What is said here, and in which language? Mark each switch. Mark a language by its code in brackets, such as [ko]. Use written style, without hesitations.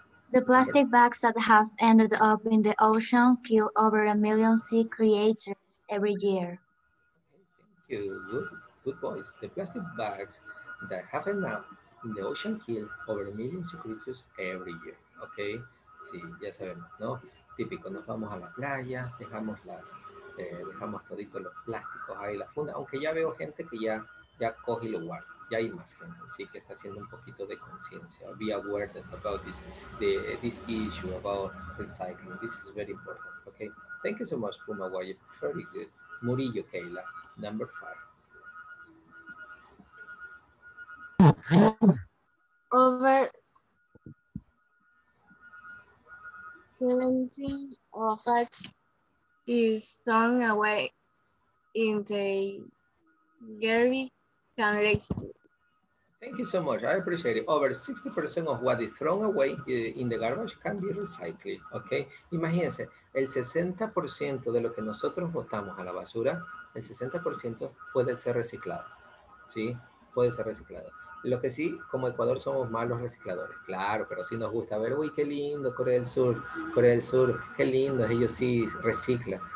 [en] The plastic bags that have ended up in the ocean kill over 1 million sea creatures every year. Thank you. Good boys. The plastic bags that have ended up in the ocean kill over 1 million sea creatures every year. [es] Okay. Sí, ya sabemos, ¿no? Típico, nos vamos a la playa, dejamos toditos los plásticos ahí, la funda. Aunque ya veo gente que ya coge y lo guarda. ya hay más gente, sí, que está haciendo un poquito de conciencia. [en] Be aware about this, this issue about recycling. This is very important, okay? Thank you so much, Puma Guayo. Very good. Murillo, Kayla, number five. Over 75 is thrown away in the garbage and recycled. Thank you so much. I appreciate it. Over 60% of what is thrown away in the garbage can be recycled. Okay. [es] Imagínense, el 60% de lo que nosotros botamos a la basura, el 60% puede ser reciclado. Sí, puede ser reciclado. Lo que sí, como Ecuador somos malos recicladores, claro, pero sí nos gusta ver, uy, qué lindo, Corea del Sur, qué lindo, ellos sí reciclan.